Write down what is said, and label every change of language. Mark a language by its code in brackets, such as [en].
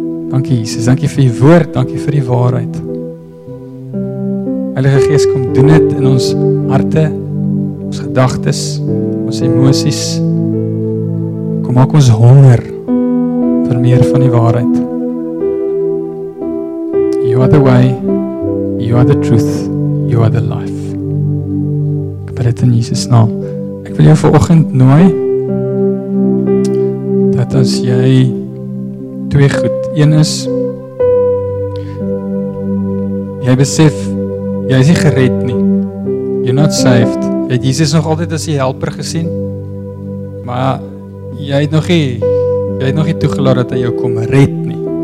[af] Dankie Jesus, dankie vir U woord, dankie vir die waarheid. Heilige Gees, kom doen dit in ons harte, ons gedagtes, ons emosies. Kom maak ons honger vir meer van die waarheid. [en] You are the way, you are the truth, you are the life. [af] Ek bid dit in Jesus naam. Ek wil jou vanoggend nooi dat as jy twee goed, een is, jy besef, jy is nie gered nie. [en] You're not saved. [af] Jy het Jesus nog altyd as die helper gesien, maar jy het nog nie toegelaat dat hy jou kom red nie.